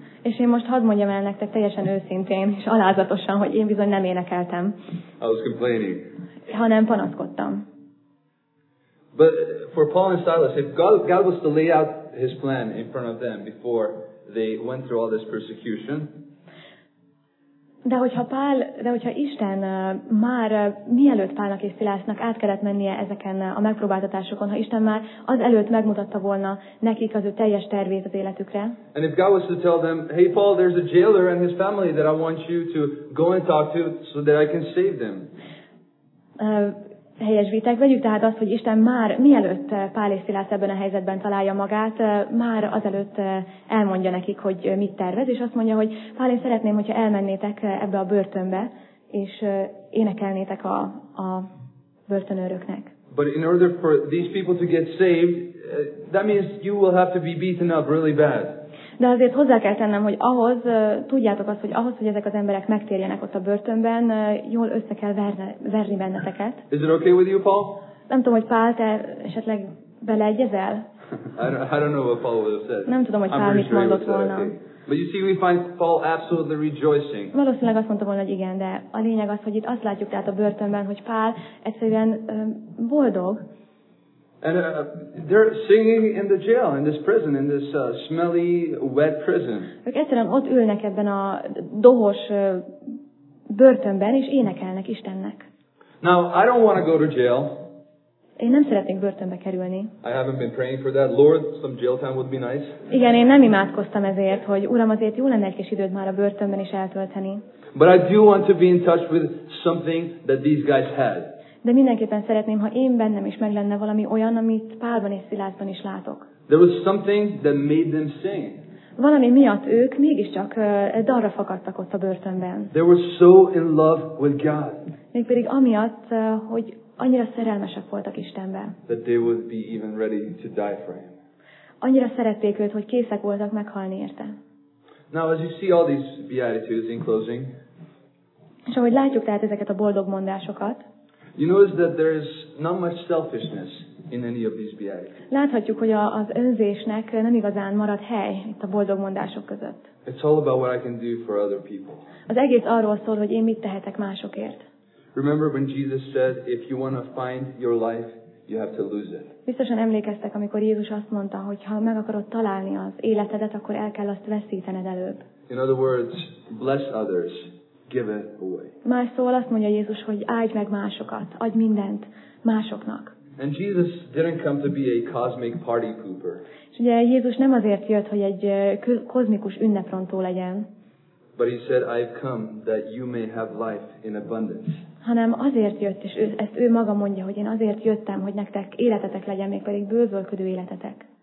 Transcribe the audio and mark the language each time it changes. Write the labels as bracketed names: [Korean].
[Hungarian] És én most hadd mondjam el nektek teljesen őszintén és alázatosan, hogy én bizony nem énekeltem. [English] I was complaining. [Hungarian] Hanem panaszkodtam. [English] But for Paul and Silas, if God was to lay out his plan in front of them before they went through all this persecution, [Hungarian] De hogyha Isten már mielőtt Pálnak és Szilásznak át kellett mennie ezeken a megpróbáltatásokon, ha Isten már az előtt megmutatta volna nekik az ő teljes tervét az életükre. [English] And if God was to tell them, hey Paul, there's a jailer and his family that I want you to go and talk to so that I can save them. [Hungarian] Helyesvitek, vegyük tehát azt, hogy Isten már mielőtt Pál és Szilász ebben a helyzetben találja magát, már azelőtt elmondja nekik, hogy mit tervez, és azt mondja, hogy Pál, én szeretném, hogyha elmennétek ebbe a börtönbe, és énekelnétek a börtönőröknek. [English] But in order for these people to get saved, that means you will have to be beaten up really bad. [Hungarian] De azért hozzá kell tennem, hogy ahhoz, tudjátok azt, hogy ahhoz, hogy ezek az emberek megtérjenek ott a börtönben, jól össze kell verni benneteket. [English] Is it okay with you, Paul? [Hungarian] Nem tudom, hogy Pál, te esetleg beleegyezel? [English] I don't know what Paul would have said. [Hungarian] Nem tudom, hogy Pál mit mondott volna. [English] But you see, we find Paul absolutely rejoicing. [Hungarian] Valószínűleg azt mondta volna, hogy igen, de a lényeg az, hogy itt azt látjuk tehát a börtönben, hogy Pál egyszerűen boldog. [English] And they're singing in the jail, in this prison, in this smelly, wet prison. [Hungarian] Ők egyszerűen ott ülnek ebben a dohos börtönben, és énekelnek Istennek. [English] Now, I don't want to go to jail. [Hungarian] Én nem szeretnék börtönbe kerülni. [English] I haven't been praying for that. Lord, some jail time would be nice. [Hungarian] Igen, én nem imádkoztam ezért, hogy Uram, azért jó lenne egy kis időt már a börtönben is eltölteni. [English] But I do want to be in touch with something that these guys had. [Hungarian] De mindenképpen szeretném, ha én bennem is meg lenne valami olyan, amit Pálban és Szilászban is látok. [English] There was something that made them sing. [Hungarian] Valami miatt ők mégiscsak dalra fakadtak ott a börtönben. [English] They were so in love with God. [Hungarian] Mégpedig amiatt, hogy annyira szerelmesek voltak Istenben. [English] That they would be even ready to die for him. [Hungarian] Annyira szerették őt, hogy készek voltak meghalni érte. [English] Now, as you see all these beatitudes in closing. [Hungarian] És ahogy látjuk tehát ezeket a boldog mondásokat. [English] You notice that there is not much selfishness in any of these beatitudes. [Hungarian] Láthatjuk, hogy az önzésnek nem igazán maradt hely itt a boldog mondások között. [English] It's all about what I can do for other people. [Hungarian] Az egész arról szól, hogy én mit tehetek másokért. [English] Remember when Jesus said, if you want to find your life, you have to lose it. [Hungarian] Biztosan emlékeztek, amikor Jézus azt mondta, hogy ha meg akarod találni az életedet, akkor el kell azt veszítened előbb. [English] In other words, bless others. Give it away. [Hungarian] Más szóval azt mondja Jézus, hogy áldj meg másokat, adj mindent másoknak. [English] And Jesus didn't come to be a cosmic party pooper. [Hungarian] És ugye Jézus nem azért jött, hogy egy kozmikus ünneprontó legyen. [English] But he said, I've come that you may have life in abundance. [Hungarian] Hanem azért jött, és ezt ő maga mondja, hogy én azért jöttem, hogy nektek életetek legyen, mégpedig bővölködő életetek.